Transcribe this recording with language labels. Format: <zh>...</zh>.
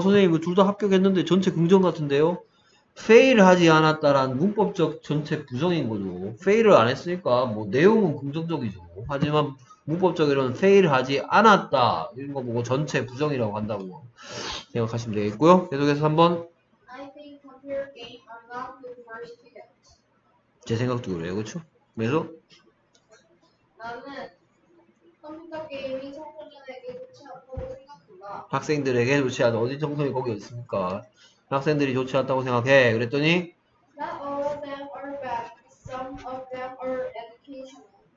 <ko>선생님 둘 다 합격했는데 전체 긍정 같은데요? fail 하지 않았다란 문법적 전체 부정인 거죠. fail을 안 했으니까 뭐 내용은 긍정적이죠. 하지만 문법적으로는 fail 하지 않았다 이런 거 보고 전체 부정이라고 한다고 생각하시면 되겠고요. 계속해서 3번.</ko> <en>I think computer games are not good for students.</en> <ko>제 생각도 그래요. 그렇죠? 그래서 나는 컴퓨터 게임이 청소년에게 좋지 않다고 생각한다. 학생들에게 좋지 않아. 어디 청소년이 거기 있습니까? 학생들이 좋지 않다고 생각해. 그랬더니</ko> <en>Not all of them are bad. Some of them are educational.</en>